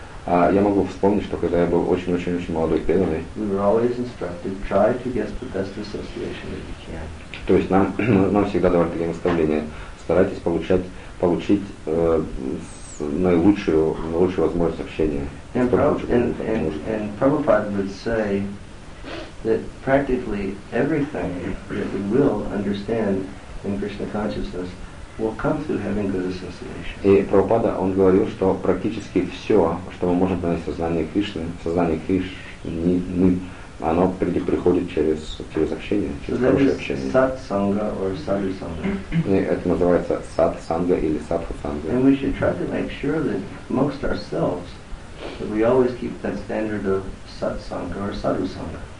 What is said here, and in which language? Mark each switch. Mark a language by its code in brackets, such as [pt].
[ru] Я могу вспомнить, что когда я был очень-очень-очень молодой преданный, [en] we were always instructed, try to get the best association that you can. [ru] То есть нам всегда давали такие наставления, старайтесь получить наилучшую возможность общения. [en] And Prabhupada would say that practically everything that we will understand in Krishna consciousness will come through having good association. [ru] И Прабхупада, он говорил, что практически все, что мы можем понять в сознании Кришны, в сознании Кришны, оно приходит через общение, через хорошее общение. [en] Сат-санга or саду-санга. [ru] И это называется сат-санга или садху-санга. [en] And we should try to make sure that amongst ourselves that we always keep that standard of сат-санга or саду-санга.